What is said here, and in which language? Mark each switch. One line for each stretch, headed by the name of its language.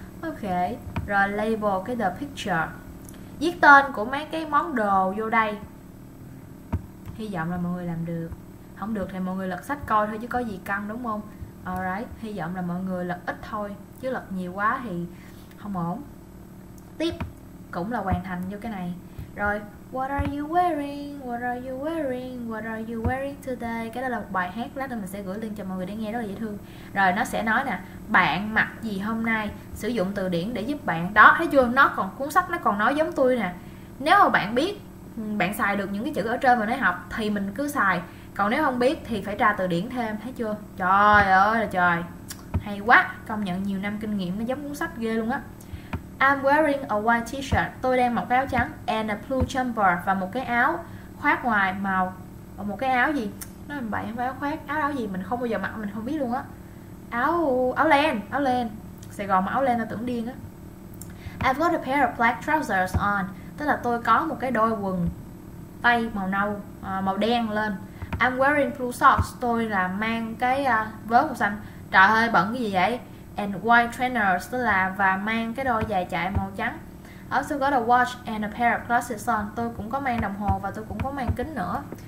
Vietnamese: Ok, rồi
English: label
Vietnamese: cái
English: the picture.
Vietnamese: Viết tên của mấy cái món đồ vô đây. Hy vọng là mọi người làm được. Không được thì mọi người lật sách coi thôi, chứ có gì căng đúng không? Alright, hy vọng là mọi người lật ít thôi, chứ lật nhiều quá thì không ổn. Tiếp, cũng là hoàn thành vô cái này.
English: Rồi, what are you wearing? What are you wearing? What are you wearing today?
Vietnamese: Cái đó là một bài hát, lát nữa mình sẽ gửi link cho mọi người để nghe, rất là dễ thương. Rồi, nó sẽ nói nè, bạn mặc gì hôm nay? Sử dụng từ điển để giúp bạn. Đó, thấy chưa? Nó còn cuốn sách, nó còn nói giống tôi nè. Nếu mà bạn biết, bạn xài được những cái chữ ở trên mà nó học thì mình cứ xài. Còn nếu không biết thì phải tra từ điển thêm, thấy chưa? Trời ơi là trời. Hay quá, công nhận nhiều năm kinh nghiệm nó giống cuốn sách ghê luôn á.
English: I'm wearing a white t-shirt.
Vietnamese: Tôi đang mặc cái áo trắng.
English: And a blue jumper.
Vietnamese: Và một cái áo khoác ngoài màu. Và một cái áo gì? Nói mình bậy, không phải áo khoác. Áo gì mình không bao giờ mặc, mình không biết luôn á. Áo len. Sài Gòn mà áo len là tưởng điên á.
English: I've got a pair of black trousers on.
Vietnamese: Tức là tôi có một cái đôi quần tây màu nâu, màu đen lên.
English: I'm wearing blue socks.
Vietnamese: Tôi là mang cái vớ màu xanh. Trời ơi, bẩn cái gì vậy?
English: And white trainers,
Vietnamese: tức là và mang cái đôi giày chạy màu trắng.
English: Also got a watch and a pair of glasses on.
Vietnamese: Tôi cũng có mang đồng hồ và tôi cũng có mang kính nữa.